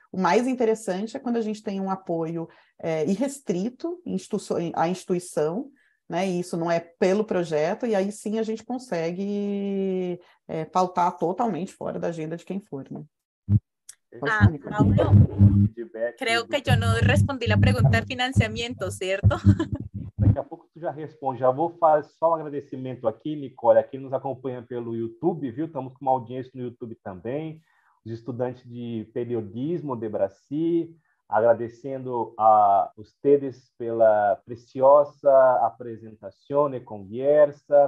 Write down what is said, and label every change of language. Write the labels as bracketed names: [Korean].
[Portuguese] O mais interessante é quando a gente tem um apoio irrestrito à instituição, né, e isso não é pelo projeto, e aí sim a gente consegue pautar totalmente fora da agenda de quem for, né? Pode Ah, falar, Nicole. [Spanish] Paulo, creo que yo no respondí la pregunta de financiamiento, ¿cierto? [Portuguese] Daqui a pouco tu já responde. Já vou fazer só um agradecimento aqui, Nicole, aqui nos acompanha pelo YouTube, viu? Estamos com uma audiência no YouTube também, os estudantes de periodismo, Debraci, agradecendo a vocês pela preciosa apresentação e conversa.